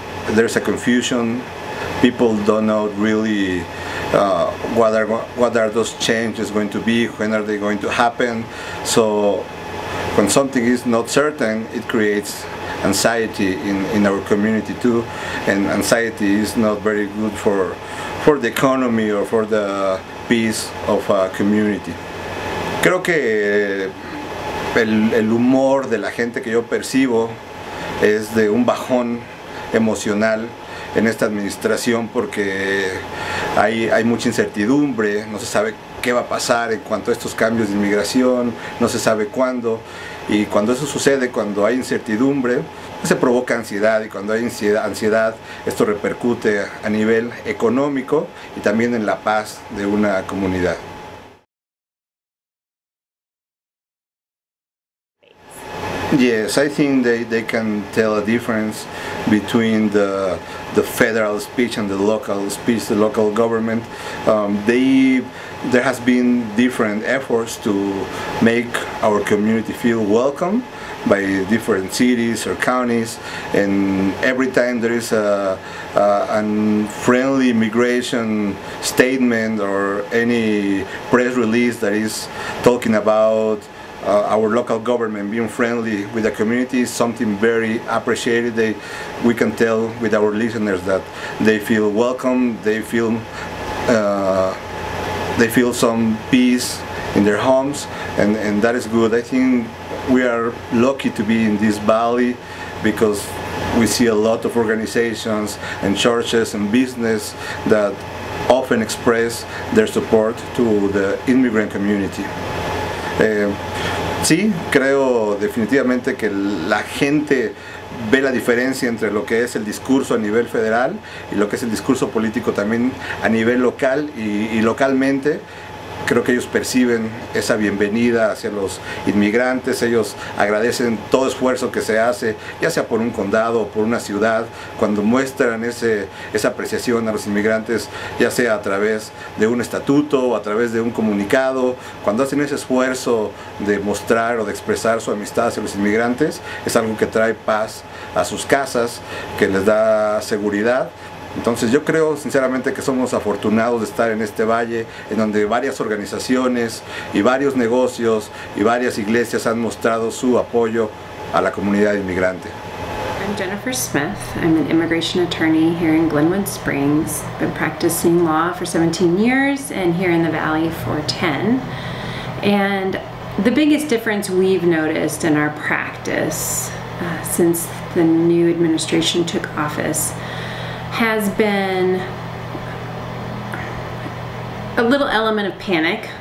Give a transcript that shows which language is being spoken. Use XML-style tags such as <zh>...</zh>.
<en>There's a confusion. People don't know really what are those changes going to be, when are they going to happen. So when something is not certain, it creates anxiety in our community too. And anxiety is not very good for the economy or for the peace of a community.</en> <es>Creo que el humor de la gente que yo percibo es de un bajón emocional en esta administración porque hay mucha incertidumbre, no se sabe qué va a pasar en cuanto a estos cambios de inmigración, no se sabe cuándo, y cuando eso sucede, cuando hay incertidumbre, se provoca ansiedad, y cuando hay ansiedad, esto repercute a nivel económico y también en la paz de una comunidad.</es> <en>Yes, I think they can tell a difference between the federal speech and the local speech, the local government. There has been different efforts to make our community feel welcome by different cities or counties, and every time there is a friendly immigration statement or any press release that is talking about our local government being friendly with the community is something very appreciated. We can tell with our listeners that they feel welcome, they feel some peace in their homes, and that is good. I think we are lucky to be in this valley because we see a lot of organizations and churches and business that often express their support to the immigrant community.</en> <es>Sí, creo definitivamente que la gente ve la diferencia entre lo que es el discurso a nivel federal y lo que es el discurso político también a nivel local y localmente. Creo que ellos perciben esa bienvenida hacia los inmigrantes, ellos agradecen todo esfuerzo que se hace, ya sea por un condado o por una ciudad, cuando muestran esa apreciación a los inmigrantes, ya sea a través de un estatuto o a través de un comunicado, cuando hacen ese esfuerzo de mostrar o de expresar su amistad hacia los inmigrantes, es algo que trae paz a sus casas, que les da seguridad. Entonces yo creo sinceramente que somos afortunados de estar en este valle en donde varias organizaciones y varios negocios y varias iglesias han mostrado su apoyo a la comunidad inmigrante.</es> <en>I'm Jennifer Smith. I'm an immigration attorney here in Glenwood Springs. I've been practicing law for 17 years and here in the valley for 10. And the biggest difference we've noticed in our practice since the new administration took office has been a little element of panic.</en>